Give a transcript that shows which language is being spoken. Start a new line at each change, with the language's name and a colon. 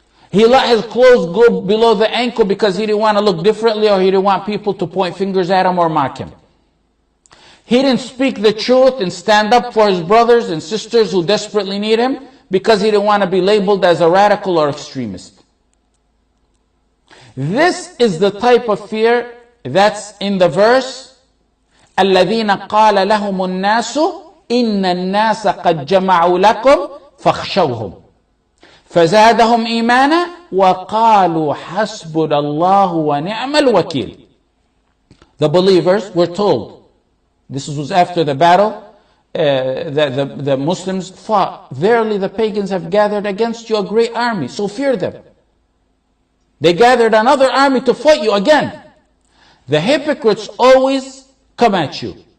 English: He let his clothes go below the ankle because he didn't want to look differently or he didn't want people to point fingers at him or mock him. He didn't speak the truth and stand up for his brothers and sisters who desperately need him because he didn't want to be labeled as a radical or extremist. This is the type of fear that's in the verse,
Arabic: الَّذِينَ قَالَ لَهُمُ النَّاسُ إِنَّ النَّاسَ قَدْ جَمَعُوا لَكُمْ فَخْشَوْهُمْ فَزَادَهُمْ إِيمَانًا وَقَالُوا حَسْبُنَا اللَّهُ وَنِعْمَ الْوَكِيلُ.
English: The believers were told, this was after the battle, that the Muslims fought, verily the pagans have gathered against you a great army, so fear them. They gathered another army to fight you again. The hypocrites always come at you.